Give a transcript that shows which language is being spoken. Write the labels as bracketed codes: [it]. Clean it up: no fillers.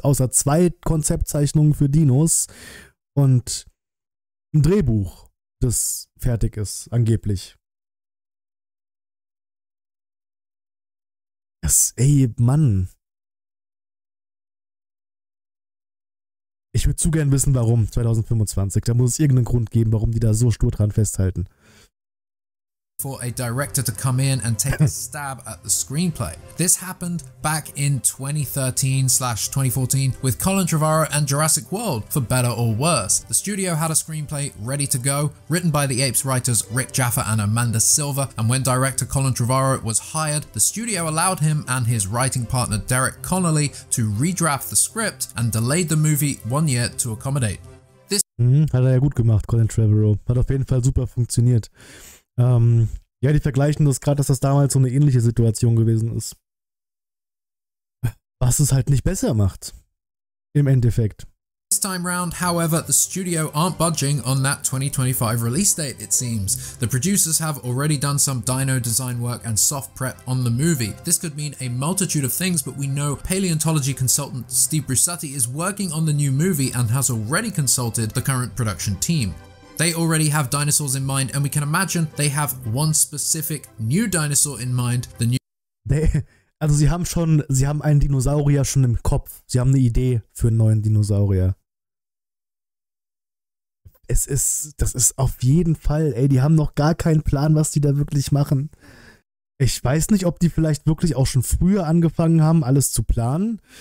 [de] Außer zwei Konzeptzeichnungen für Dinos und ein Drehbuch, das fertig ist, angeblich. Das, ey, Mann. Ich würde zu gern wissen, warum 2025. Da muss es irgendeinen Grund geben, warum die da so stur dran festhalten. [en] For a director to come in and take a stab at the screenplay. This happened back in 2013/2014 with Colin Trevorrow and Jurassic World, for better or worse. The studio had a screenplay ready to go, written by the Apes writers Rick Jaffa and Amanda Silver, and when director Colin Trevorrow was hired, the studio allowed him and his writing partner Derek Connolly to redraft the script and delayed the movie 1 year to accommodate. This [de] hat er ja gut gemacht, Colin Trevorrow. Hat auf jeden Fall super funktioniert. Ja, die vergleichen das gerade, dass das damals so eine ähnliche Situation gewesen ist. Was es halt nicht besser macht. Im Endeffekt. [en] This time round, however, the studio aren't budging on that 2025 release date, it seems. The producers have already done some dino design work and soft prep on the movie. This could mean a multitude of things, but we know paleontology consultant Steve Brusatti is working on the new movie and has already consulted the current production team. They already have dinosaurs in mind, and we can imagine they have one specific new dinosaur in mind, the new. [de] Also sie haben einen Dinosaurier schon im Kopf. Sie haben eine Idee für einen neuen Dinosaurier. Das ist auf jeden Fall, ey, die haben noch gar keinen Plan, was die da wirklich machen. Ich weiß nicht, ob die vielleicht wirklich auch schon früher angefangen haben, alles zu planen.